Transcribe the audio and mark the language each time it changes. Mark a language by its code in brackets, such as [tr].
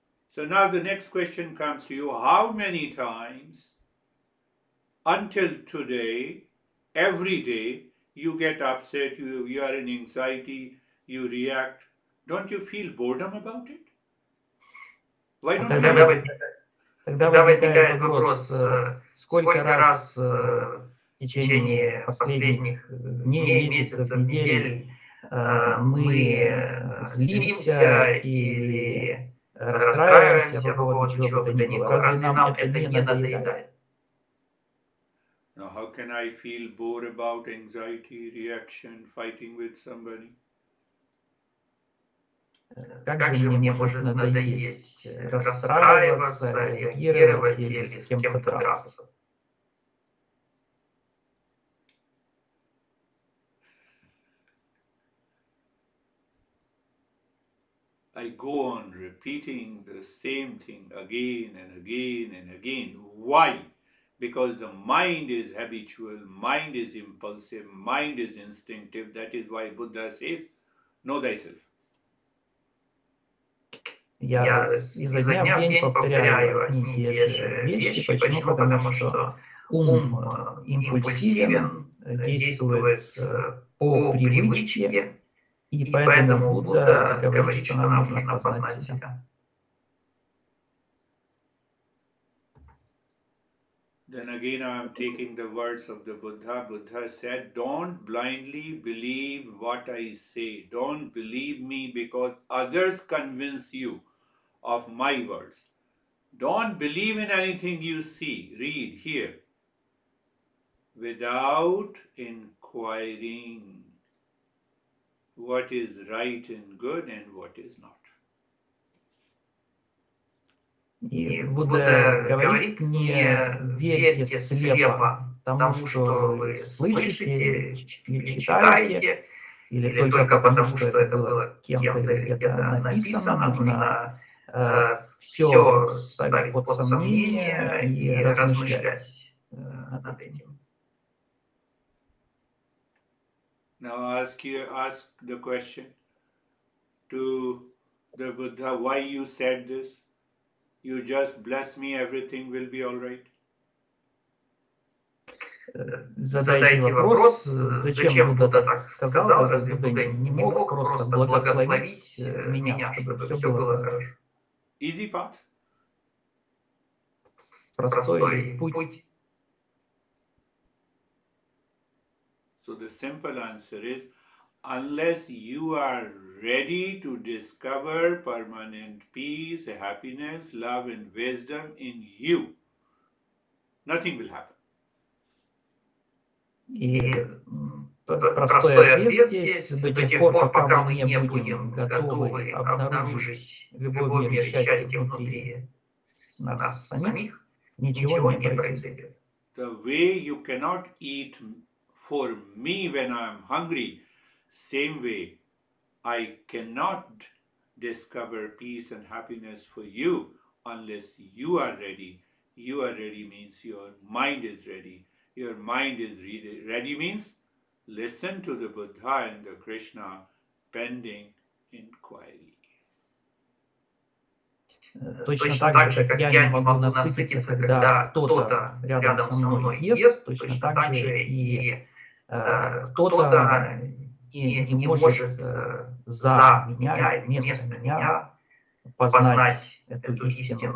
[en] So now the next question comes to you. How many times until today, every day, you get upset, you are in anxiety, you react? Don't you feel boredom about it? Why don't you? [ru] Тогда возникает вопрос, сколько раз в течение последних дней, месяцев, недель мы злимся или расстраиваемся по поводу чего-то не было. Разве нам это не надоедает? [en] Now, how can I feel bored about anxiety, reaction, fighting with somebody? [ru] Как же мне может надоесть расстраиваться, реагировать или с кем-то драться? [en] I go on repeating the same thing again and again and again. Why? Because the mind is habitual, mind is impulsive, mind is instinctive. That is why Buddha says, know thyself. [ru] Я изо дня в день повторяю одни и те же вещи. Почему? Потому что ум импульсивен, действует по привычке. И поэтому Будда говорит, что нам нужно познать себя. [en] Then again I am taking the words of the Buddha. Buddha said, don't blindly believe what I say. Don't believe me because others convince you of my words. Don't believe in anything you see, read, hear. Without inquiring. What is right and good and what is not. [ru] И Будда говорит, не верьте слепо тому, что вы слышите, читаете, или только потому, что это было кем-то написано, нужно все ставить под сомнение и размышлять над этим. [en] Now ask the question to the Buddha, why you said this? You just bless me, everything will be all right. [ru] задайте вопрос, зачем Будда так сказал, разве Будда не мог просто благословить меня, чтобы все было хорошо? [en] Easy path. [ru] Простой путь. [en] So the simple answer is, unless you are ready to discover permanent peace, happiness, love and wisdom in you, nothing will happen. [ru] И простой ответ здесь, до тех пор, пока мы не будем готовы обнаружить любовь, мир и счастье внутри нас самих, ничего не произойдет. [en] The way you cannot eat for me when I'm hungry, same way I cannot discover peace and happiness for you unless you are ready. You are ready means your mind is ready. Your mind is ready means listen to the Buddha and the Krishna pending inquiry. [ru] Точно так же, как я не могу насытиться, когда кто-то рядом со мной ест, точно так же и кто-то не может за меня, вместо меня познать эту истину.